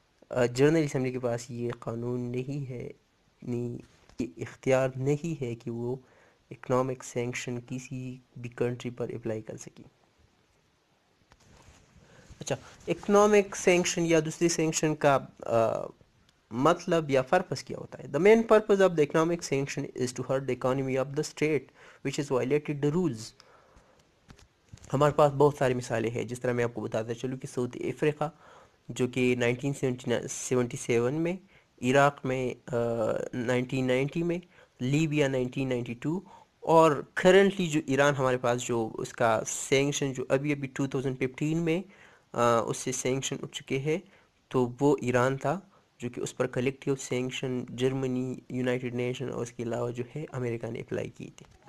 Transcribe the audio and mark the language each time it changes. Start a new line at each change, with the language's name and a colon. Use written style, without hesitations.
Urdu: General assembly کے پاس یہ قانون نہیں ہے, اختیار نہیں ہے کہ وہ economic sanction کسی بھی country پر apply کر سکے. اچھا اکنامک سینکشن یا دوسری سینکشن کا مطلب یا پرپز کیا ہوتا ہے؟
English: The main purpose of the economic sanction is to hurt the economy of the state which is violated the rules.
Urdu: ہمارے پاس بہت ساری مثالیں ہیں, جس طرح میں آپ کو بتاتا چلوں کہ سعودی افریقہ جو کہ 1977 میں, عراق میں 1990 میں, لیبیا 1992, اور کرنٹلی جو ایران ہمارے پاس جو اس کا سینکشن جو ابھی ابھی 2015 میں اس سے سینکشن اٹھ چکے ہیں, تو وہ ایران تھا جو کہ اس پر collective sanction Germany, United nation اور اس کے علاوہ جو ہے امریکہ نے اپلائی کی تھی.